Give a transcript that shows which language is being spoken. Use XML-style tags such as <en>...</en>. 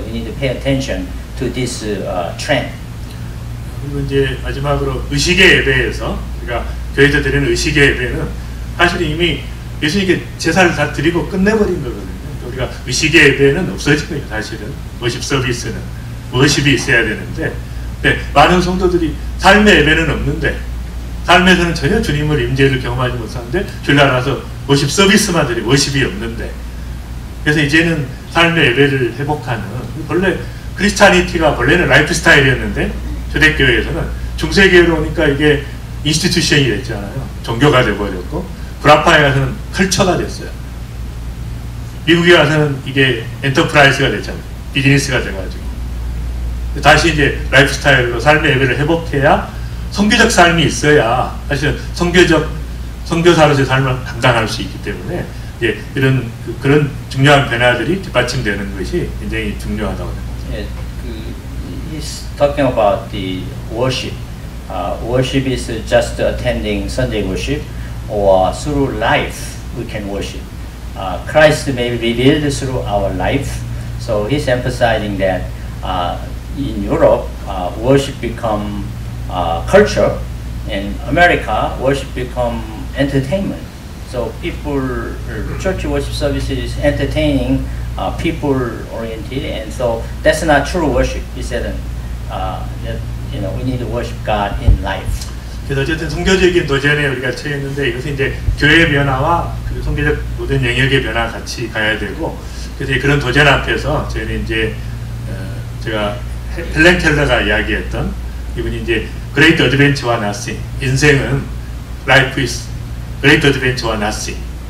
<en>We need to pay attention to this trend.</en> <ko>그리고 이제 마지막으로 의식의 예배에서 우리가 교회에서 드리는 의식의 예배는 사실 이미 예수님께 제사를 다 드리고 끝내버린 거거든요. 우리가 의식의 예배는 없어진 거예요. 사실은 워십 서비스는 워십이 있어야 되는데 많은 성도들이 삶의 예배는 없는데 삶에서는 전혀 주님을 임재를 경험하지 못하는데 주일날 와서 워십 서비스만 드리고 워십이 없는데, 그래서 이제는 삶의 예배를 회복하는, 원래 크리스타니티가 원래는 라이프 스타일이었는데 초대교회에서는 중세교회로 오니까 이게 인스티튜션이 됐잖아요. 종교가 되어버렸고, 브라파에 가서는 컬처가 됐어요. 미국에 가서는 이게 엔터프라이즈가 됐잖아요. 비즈니스가 돼가지고 다시 이제 라이프 스타일로 삶의 예배를 회복해야 선교적 삶이 있어야 사실 선교적 선교사로서의 삶을 감당할 수 있기 때문에 이제 이런 그런 중요한 변화들이 뒷받침되는 것이 굉장히 중요하다고 생각합니다.</ko> <en>He's talking about the worship. Worship is just attending Sunday worship, or through life we can worship. Christ may be revealed through our life. So he's emphasizing that in Europe, worship become culture. In America, worship become entertainment. So people, church worship service is entertaining, people oriented, and so that's not true worship. He said that you know we need to worship God in life.</en> <ko>그래서 어쨌든 성교적인 도전에 우리가 처했는데 이것은 이제 교회 변화와 그 성교적 모든 영역의 변화 같이 가야 되고, 그래서 그런 도전 앞에서 저희는 이제 제가 헬렌 켈러가 이야기했던 이분이 이제</ko> <en>Great Adventure</en> <ko>와 Nothing, 인생은</ko> <en>Life is Great Adventure</en> <ko>와 Nothing.</ko>